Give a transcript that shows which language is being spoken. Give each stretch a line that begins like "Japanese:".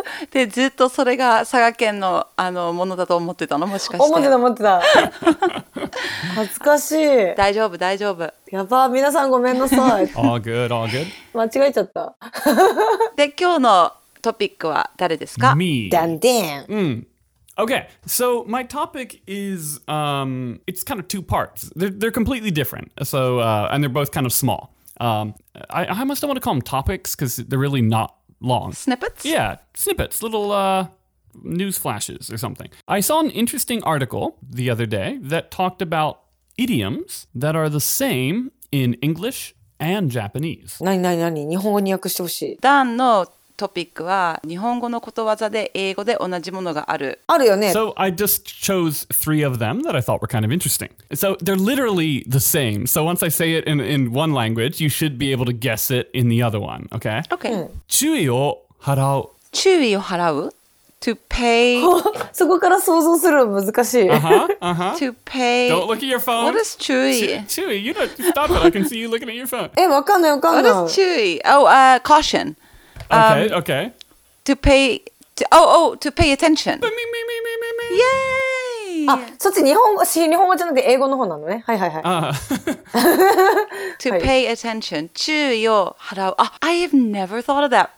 Japanese: で、ずっとそれが佐賀県の、ものだと思ってたの、もしかして。思ってた。恥ずかしい。大丈夫、大丈夫。やば、皆さんごめんなさい。
English: All good, all good.
Japanese: 間違えちゃった。で、今日のトピックは誰ですか？
English: Me.
Japanese: ダンデン。うん。
English: Okay, so my topic is, it's kind of two parts. They're completely different. So, and they're both kind of small. I must don't want to call them topics because they're really not long. Snippets? Yeah, snippets, little news flashes or something. I saw an interesting article the other day that talked about idioms that are the same in English and Japanese.
Japanese: 何? 日本語に訳してほしい。ダンのトピックは日本語のことわざで英語で同じものがある。あるよね。
English: So I just chose three of them that I thought were kind of interesting. So they're literally the same. So once I say it in one language, you should be able to guess it in the other one, okay? Okay.
Japanese: 注意を払う。注意を払う?
English: To pay...
Japanese: そこから想像するの難しい。
English: To pay... Don't look at your phone. What is 注意? 注意, you don't stop it. I can see you looking at your phone.
Japanese: え、わかんないわかんない。
English: What is 注意?Oh, caution. Okay. To pay attention. Me. Yay!
Japanese: Ah, そっち日本語、日本語じゃなくて英語の方なのね。はいはいはい。
English: To pay attention.
Japanese: 注意を払う。
English: Ah, I have never thought of that.